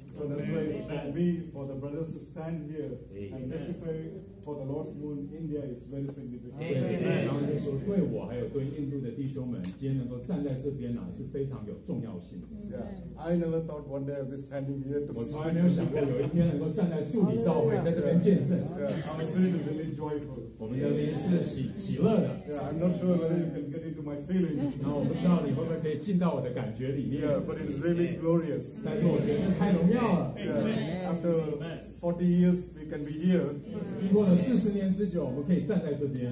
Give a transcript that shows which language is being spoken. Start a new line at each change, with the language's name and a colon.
English: So that's why for the brothers to stand here and testify for the Lord's wound, India is very significant.
Chinese: 然后就说，对我还有对印度的弟兄们，今天能够站在这边呢，是非常有重要性的。Yeah,
English: I never thought one day I'd be standing here to.
Chinese: 我从来没有想过有一天能够站在树里教会，在这边见证。Yeah,
English: our spirit is really joyful.
Chinese: 我们这边是喜乐的。Yeah,
English: I'm not sure whether you can get into my feeling.
Chinese: 然后我不知道你会不会可以进到我的感觉里面。Yeah,
English: but it is really glorious.
Chinese: 但是我觉得太荣耀了。Yeah,
English: after 40 years, we can be here.
Chinese: 经过了40年之久，我们可以站在这边。